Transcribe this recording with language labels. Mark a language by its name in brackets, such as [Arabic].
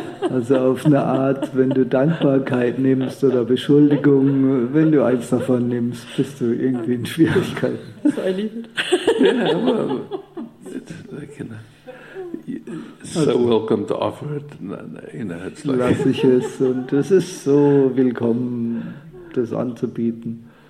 [German] Also auf eine Art, wenn du Dankbarkeit nimmst oder Beschuldigung, wenn du eins davon nimmst, bist du irgendwie in Schwierigkeiten. [English] So I leave it. Yeah, well, it's like, you know, so welcome to offer it. You know, it's like [German] lass ich es und es ist so willkommen, das anzubieten.